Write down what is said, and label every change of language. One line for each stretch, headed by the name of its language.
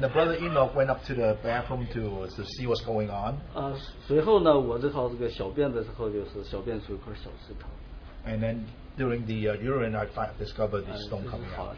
English: the brother Enoch went up to the bathroom to see what's going on.
Chinese: 随后呢，我这套这个小便的时候，就是小便出一块小石头。
English: And then during the urine, I discovered this stone coming out.